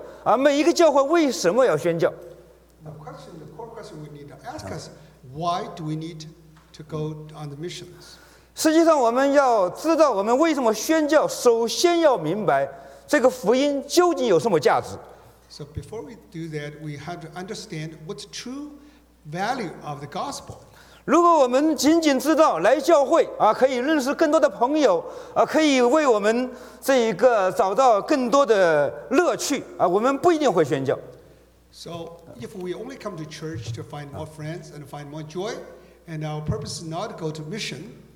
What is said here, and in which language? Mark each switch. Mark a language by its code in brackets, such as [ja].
[zh] 但是我们首先要问一个问题：究竟我们教会啊，每一个教会为什么要宣教？ [en] The question, the core question we need to ask us: Why do we need to go on the missions? [zh] 实际上，我们要知道我们为什么宣教，首先要明白这个福音究竟有什么价值。 [en] So before we do that, we have to understand what's true value of the gospel. [zh] 如果我们仅仅知道来教会啊，可以认识更多的朋友啊，可以为我们这一个找到更多的乐趣啊，我们不一定会宣教。 [en] So if we only come to church to find more friends and find more joy. And our purpose is not to go to mission.